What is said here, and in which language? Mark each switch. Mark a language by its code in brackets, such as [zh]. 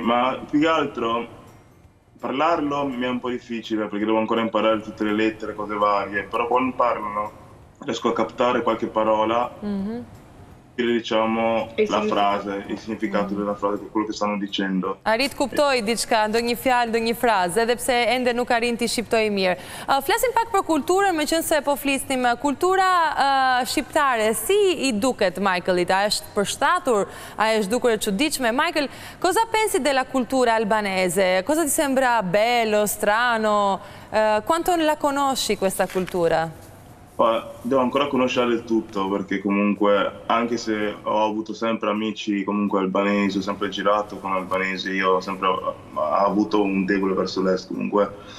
[it] ma più che altro parlarlo mi è un po' difficile perché devo ancora imparare tutte le lettere, cose varie, però quando parlano riesco a captare qualche parola, diciamo la frase, il significato della frase, quello che stanno dicendo. [sq] Arrit kuptoj diçka, ndonjë fjalë, ndonjë frazë, edhe pse ende nuk arrinti shqiptoj mirë. Flasim pak për kulturën, meqense po flisnim kultura shqiptare. Si i duket Michaelit? A është përshtatur? A është dukur e çuditshme? [it] Michael, cosa pensi della cultura albanese? Cosa ti sembra bello, strano? Quanto la conosci questa cultura? Devo ancora conoscere tutto perché comunque anche se ho avuto sempre amici comunque albanesi, ho sempre girato con albanesi, io ho sempre avuto un debole verso l'est comunque.